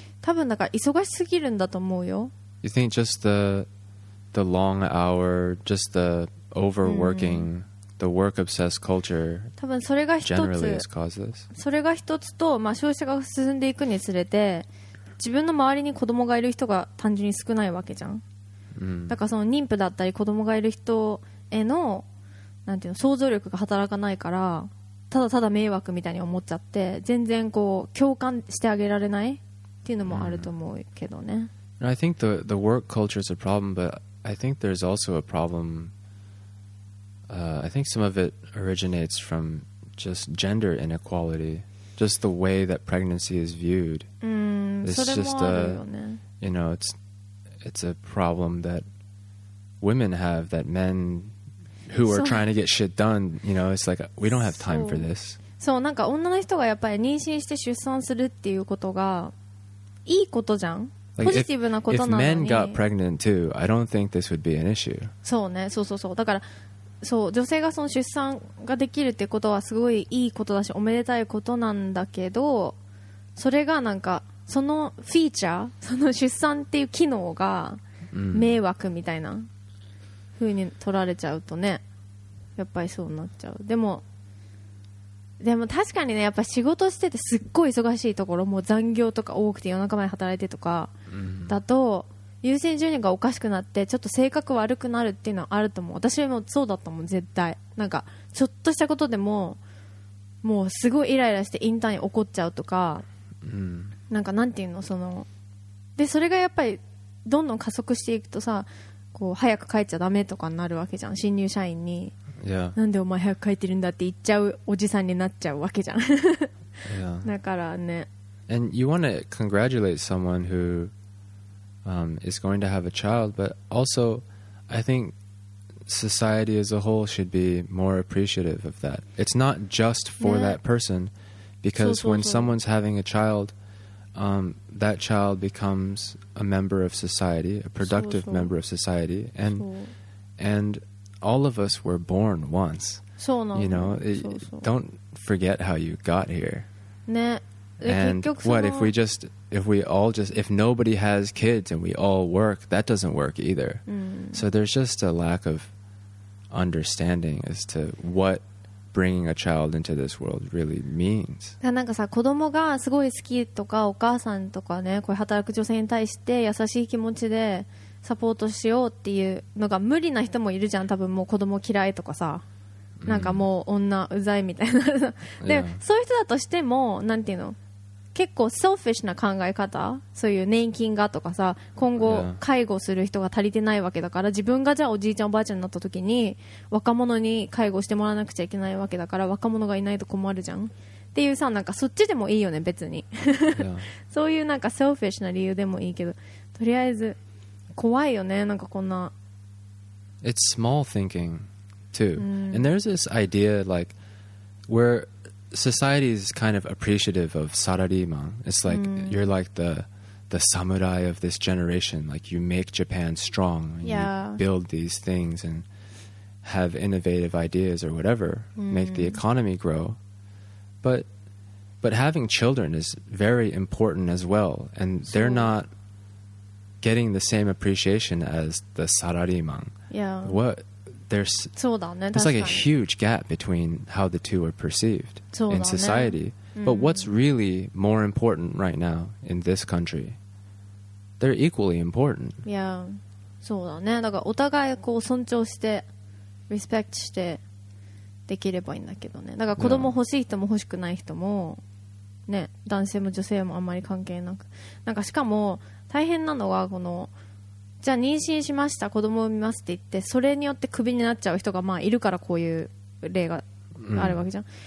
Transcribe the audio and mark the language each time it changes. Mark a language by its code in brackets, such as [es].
[ja] 多分なんか忙しすぎるんだと思うよ。 [en] You think just the long hour, just the overworking, the work-obsessed culture generally has caused this? [ja] それが一つと、まあ、少子化が進んでいくにつれて、自分の周りに子供がいる人が単純に少ないわけじゃん。だからその妊婦だったり子供がいる人へ の, なんていうの想像力が働かないから、ただただ迷惑みたいに思っちゃって、全然こう共感してあげられないっていうのもあると思うけどね。 [en] I think the work culture is a problem, but I think there's also a problem. I think some of it originates from just gender inequality, just the way that pregnancy is viewed. It's just a, you know, it's a problem that women have that men who are trying to get shit done, you know, it's like, we don't have time for this. [ja] そう、なんか女の人がやっぱり妊娠して出産するっていうことがいいことじゃん。ポジティブなことなのに。 [en] If men got pregnant too, I don't think this would be an issue. [ja] そうね、そうそうそう。だから、そう、女性がその出産ができるってことはすごいいいことだし、おめでたいことなんだけど、それがなんか、そのフィーチャー、その出産っていう機能が迷惑みたいな風に取られちゃうとね、やっぱりそうなっちゃう。でも確かにね、やっぱ仕事しててすっごい忙しいところ、もう残業とか多くて夜中まで働いてとかだと、優先順位がおかしくなってちょっと性格悪くなるっていうのはあると思う。私もそうだったもん、絶対なんかちょっとしたことでももうすごいイライラしてインターンに怒っちゃうとか、なんかなんていうの、そので、それがやっぱりどんどん加速していくとさ、こう早く帰っちゃダメとかになるわけじゃん、新入社員に。 [en] Yeah. [ja] なんでお前早く帰ってるんだって言っちゃうおじさんになっちゃうわけじゃん。 [en] yeah. [ja] だからね。 [en] And you want to congratulate someone who, is going to have a child, but also I think society as a whole should be more appreciative of that. It's not just for、ね、that person, because [ja] そうそうそう、 [en] when someone's having a child, that child becomes a member of society, a productive [ja] そうそう、 [en] member of society, and all of us were born once. [ja] そうなの。 [en] You know, [ja] そうそう、 [en] don't forget how you got here. [ja] ね。 [en] And what if we just, if we all just, if nobody has kids and we all work, that doesn't work either. So there's just a lack of understanding as to what bringing a child into this world really means. [ja] なんかさ、子供がすごい好きとか、お母さんとかね、こう働く女性に対して優しい気持ちで、サポートしようっていうのが無理な人もいるじゃん、多分もう子供嫌いとかさ、なんかもう女うざいみたいな。で、 [en] yeah. [ja] そういう人だとしても、なんていうの、結構 selfish な考え方、そういう年金がとかさ、今後介護する人が足りてないわけだから、自分がじゃあおじいちゃんおばあちゃんになった時に若者に介護してもらわなくちゃいけないわけだから、若者がいないと困るじゃんっていうさ、なんかそっちでもいいよね別に。 [en] yeah. [ja] そういうなんか selfish な理由でもいいけど、とりあえず怖いよね、なんかこんな。 [en] It's small thinking too. And there's this idea like where society is kind of appreciative of sarariman. It's like you're like the samurai of this generation. Like you make Japan strong. Yeah. You build these things and have innovative ideas or whatever. Make the economy grow. But having children is very important as well. And they're not getting the same appreciation as the salaryman. Yeah. What? There's. [ja] そうだね。 [en] It's like a huge gap between how the two are perceived in society. [ja] そうだね。 [en] But what's really more important right now in this country? They're equally important. [ja] Yeah. そうだね。だからお互いこう尊重して、リスペクトしてできればいいんだけどね。だから子供欲しい人も欲しくない人も、ね、男性も女性もあんまり関係なく。なんかしかも、大変なのはこの、じゃあ妊娠しました、子供を産みますって言って、それによってクビになっちゃう人がまあいるから、こういう例があるわけじゃん。